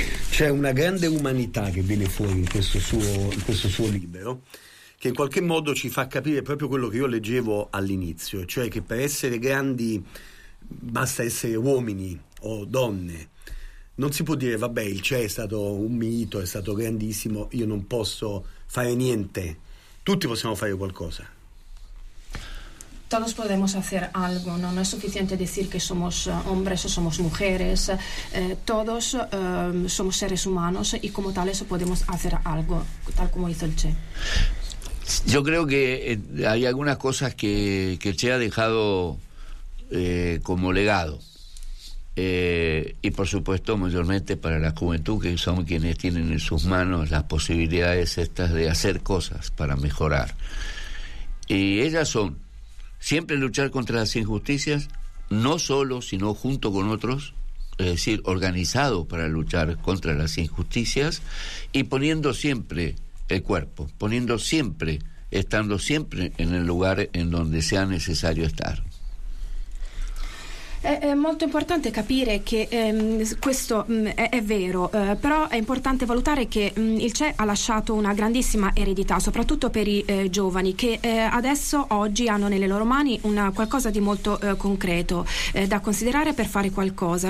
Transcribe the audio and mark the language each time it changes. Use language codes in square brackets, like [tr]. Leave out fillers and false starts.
[it] C'è una grande umanità che viene fuori in questo suo libro, che in qualche modo ci fa capire proprio quello che io leggevo all'inizio, cioè che per essere grandi basta essere uomini o donne. Non si può dire vabbè, il CES è stato un mito, è stato grandissimo, io non posso fare niente. Tutti possiamo fare qualcosa. [es] Todos podemos hacer algo, ¿no? No es suficiente decir que somos hombres o somos mujeres. Todos somos seres humanos y como tales podemos hacer algo, tal como hizo el Che. Yo creo que hay algunas cosas que el Che ha dejado como legado. Y por supuesto, mayormente para la juventud, que son quienes tienen en sus manos las posibilidades estas de hacer cosas para mejorar. Y ellas son siempre luchar contra las injusticias, no solo, sino junto con otros, es decir, organizado para luchar contra las injusticias, y poniendo siempre el cuerpo, poniendo siempre, estando siempre en el lugar en donde sea necesario estar. [it] È molto importante capire che questo è vero, però è importante valutare che il CE ha lasciato una grandissima eredità, soprattutto per i giovani, che adesso, oggi, hanno nelle loro mani qualcosa di molto concreto da considerare per fare qualcosa.